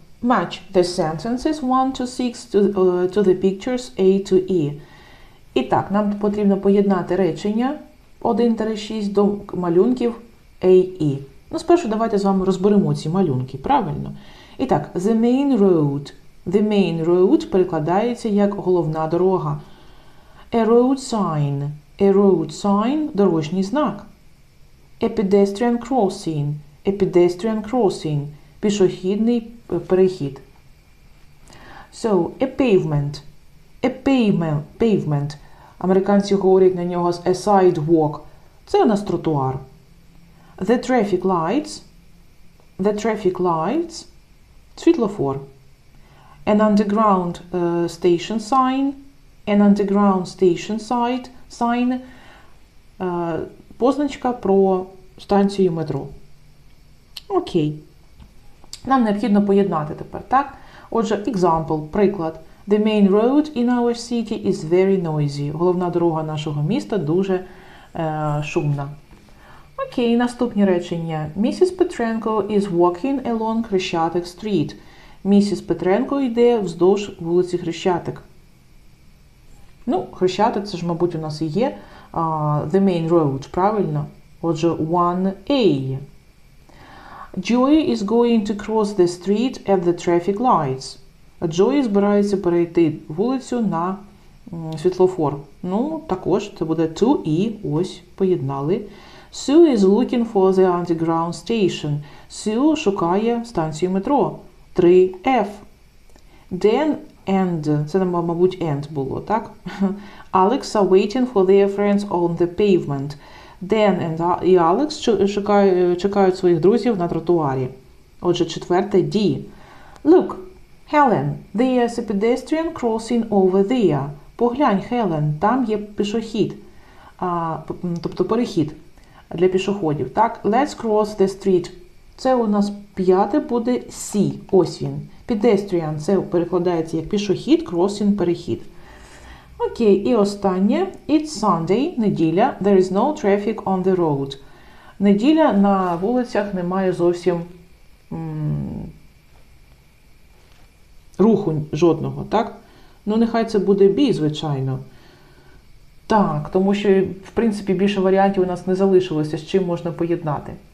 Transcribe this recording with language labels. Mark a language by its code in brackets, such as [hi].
[en] Match the sentences 1 to 6 to the pictures A to E. [uk] І так, нам потрібно поєднати речення 1-6 до малюнків AE. Ну, спершу давайте з вами розберемо ці малюнки, правильно? І так, [en] the main road. The main road [uk] перекладається як головна дорога. [en] A road sign. A road sign – [uk] дорожній знак. [en] A pedestrian crossing. A pedestrian crossing – [uk] пішохідний перехід. [en] So, a pavement. A pavement. [uk] Американці говорять на нього a sidewalk. Це у нас тротуар. [en] The traffic lights. The traffic lights. Світлофор. An underground station sign. An underground station site sign. [uk] Позначка про станцію метро. Окей. Нам необхідно поєднати тепер, так? Отже, example, приклад. [en] The main road in our city is very noisy. [uk] Головна дорога нашого міста дуже шумна. Окей, наступні речення. [en] Mrs. Petrenko is walking along Хрещатик Street. [uk] Місіс Петренко йде вздовж вулиці Хрещатик. Ну, Хрещатик, це ж, мабуть, у нас і є. [en] The main road, [uk] правильно? Отже, 1A. [en] Joy is going to cross the street at the traffic lights. [uk] Джої збирається перейти вулицю на світлофор. Ну, також це буде 2E, ось, поєднали. [en] Sue is looking for the underground station. [uk] Sue шукає станцію метро. 3F. Dan and, це, мабуть, and було, так? [en] Alex are waiting for their friends on the pavement. [uk] Dan and, і Alex чекають своїх друзів на тротуарі. Отже, четверте D. Look. [en] Helen, there is a pedestrian crossing over there. [uk] Поглянь, Helen, там є пішохід, тобто перехід для пішоходів. [en] Так, let's cross the street. [uk] Це у нас п'яте буде C, ось він. Pedestrian, це перекладається як пішохід, crossing, перехід. Окей, і останнє. [en] It's Sunday, неділя, there is no traffic on the road. [uk] Неділя, на вулицях немає зовсім руху жодного, так? Ну, нехай це буде B, звичайно. Так, тому що, в принципі, більше варіантів у нас не залишилося, з чим можна поєднати.